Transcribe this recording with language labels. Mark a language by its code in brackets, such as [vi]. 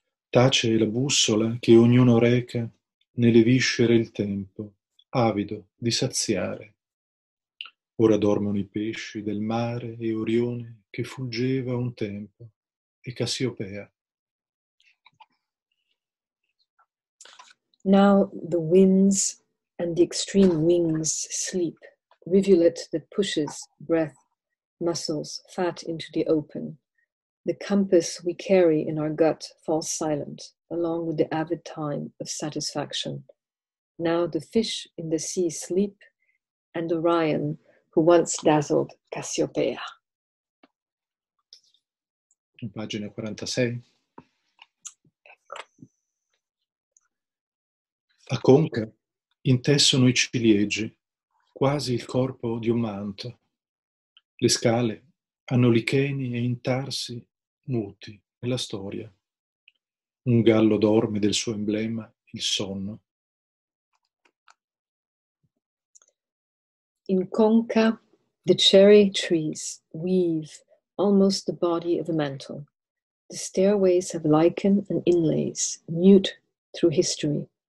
[it] Tace la bussola che ognuno reca nelle viscere il tempo, avido di saziare. Ora dormono i pesci del mare e Orione che fuggeva un tempo, e Cassiopea. [en] Now the winds and the extreme wings sleep, rivulet that pushes breath, muscles, fat into the open. The compass we carry in our gut falls silent, along with the avid time of satisfaction. Now the fish in the sea sleep, and Orion, who once dazzled Cassiopeia. [it] Pagina 46. A conca intessono i ciliegi, quasi il corpo di un manto. Le scale hanno licheni e intarsi muti nella storia. Un gallo dorme del suo emblema il sonno. [en] In conca, the cherry trees weave almost the body of a mantle. The stairways have lichen and inlays, mute through history.